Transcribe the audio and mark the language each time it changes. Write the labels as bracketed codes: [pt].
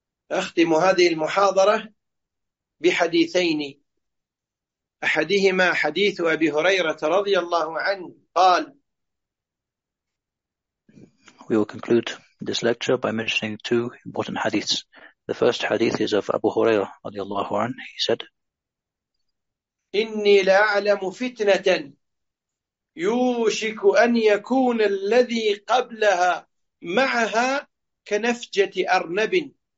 [ar] أختم هذه المحاضرة بحديثين. أحدهما حديث أبي هريرة رضي الله عنه قال. [en] We will conclude this lecture by mentioning two important hadiths. The first hadith is of Abu Hurairah [ar] رضي الله عنه. [en] He said, [ar] إني لأعلم فتنة يوشك أن يكون الذي قبلها معها كنفجة أرنب.